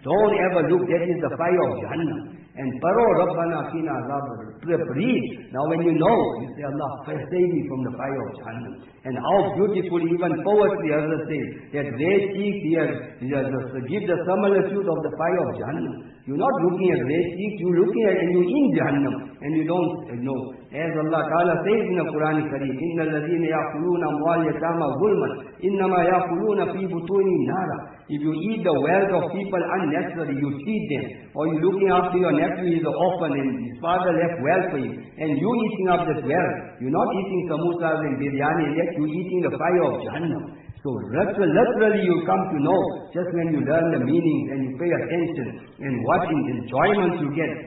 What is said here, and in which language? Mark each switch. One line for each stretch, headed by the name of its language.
English: Don't ever look, that is the fire of Jahannam. And paro rabbana kina azabana. Breathe. Now when you know, you say, Allah, save me from the fire of Jahannam. And how beautiful even poetry Allah says, that red cheeks here give the similitude of the fire of Jahannam. You're not looking at red cheeks, you're looking at and you're in Jahannam. And you don't know. As Allah Ta'ala says in the Quran Kareem,
Arabic: إِنَّ الَّذِينَ يَأْكُلُونَ أَمْوَالَ الْيَتَامَى ظُلْمًا إِنَّمَا يَأْكُلُونَ فِي بُطُونِهِمْ نَارًا.
English: If you eat the wealth of people unnecessarily, you feed them. Or you're looking after your nephew, he's an orphan and his father left wealth for him. And you eating up this wealth, you're not eating samosas and biryani, yet you're eating the fire of Jahannam. So literally you come to know, just when you learn the meaning and you pay attention and what enjoyment you get.